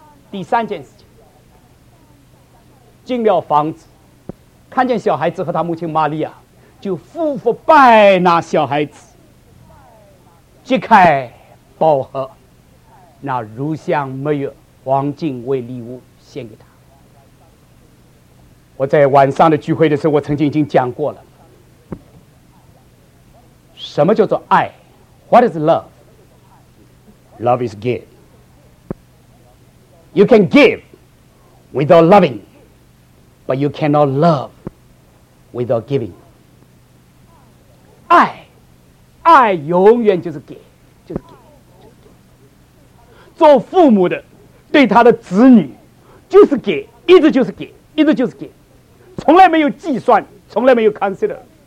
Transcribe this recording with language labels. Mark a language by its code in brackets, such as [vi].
[zh] 第三件事情，进了房子，看见小孩子和他母亲玛利亚，就夫妇拜那小孩子，揭开宝盒，那乳香没有黄金为礼物献给他。我在晚上的聚会的时候，我曾经已经讲过了，什么叫做爱？ [en] What is love? Love is give. You can give without loving, but you cannot love without giving. [zh] 爱，爱永远就是给，就是给，就是给。做父母的对他的子女就是给，一直就是给，一直就是给，从来没有计算，从来没有 consider。